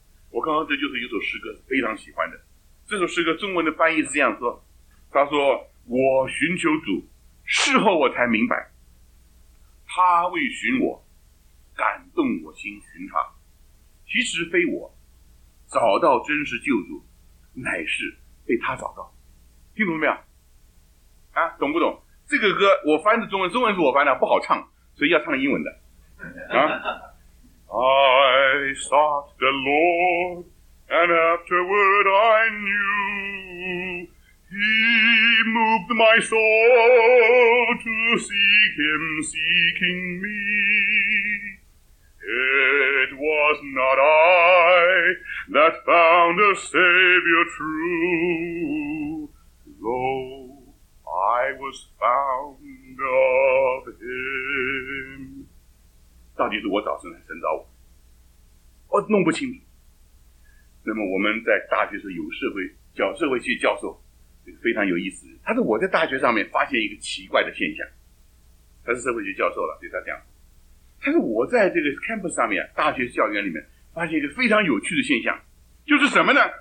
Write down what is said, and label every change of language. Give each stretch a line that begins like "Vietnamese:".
Chinese: 我刚刚这就是一首诗歌，非常喜欢的。这首诗歌中文的翻译是这样说，他说，我寻求主，事后我才明白，他为寻我，感动我心寻他，其实非我，找到真实救主，乃是被他找到。听懂没有？啊，懂不懂？这个歌我翻的中文是我翻的，不好唱，所以要唱英文的。
English: 啊，I sought the Lord, and afterward I knew. He moved my soul to seek him, seeking me. It was not I that found a Savior true, though I was found of him.
Chinese: 到底是我找神还是神找我？我弄不清楚。那么我们在大学时有社会叫社会系教授。非常有意思，他说我在大学上面发现一个奇怪的现象，他是社会学教授了，对他讲，他说我在这个 campus 上面，大学校园里面发现一个非常有趣的现象，就是什么呢？